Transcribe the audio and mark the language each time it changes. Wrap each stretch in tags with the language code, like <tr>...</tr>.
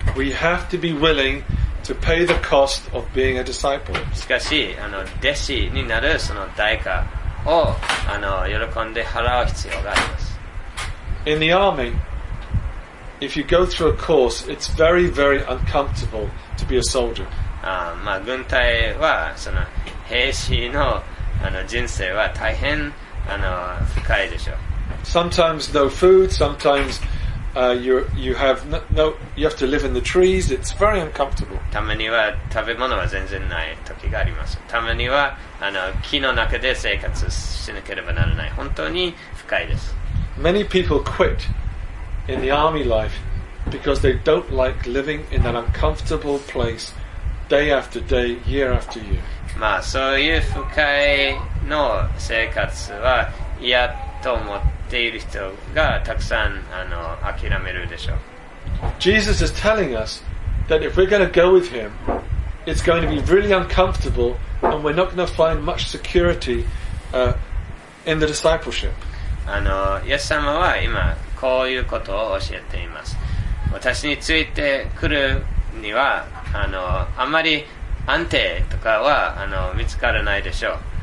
<en>We have to be willing to pay the cost of being a disciple.</en> <ja>しかし、弟子になるその代価を喜んで払う必要があります。</ja> <en>In the army, if you go through a course, it's very, very uncomfortable to be a soldier.</en> <ja>軍隊はその兵士の人生は大変深いでしょう。</ja> <en>Sometimes no food, sometimes you have to live in the trees. It's very uncomfortable.</en> <ja>たまには食べ物は全然ない時があります。たまには木の中で生活しなければならない。本当に深いです。</ja> <en>Many people quit in the army life because they don't like living in that uncomfortable place day after day, year after year.</en> <ja>そういう不快の生活は嫌と思っている人がたくさん諦めるでしょう。</ja> <en>Jesus is telling us that if we're going to go with him, it's going to be really uncomfortable and we're not going to find much security in the discipleship.</en> <ja>イエス様は今こういうことを教えています。私についてくるにはあまり安定とかは見つからないでしょう。</ja>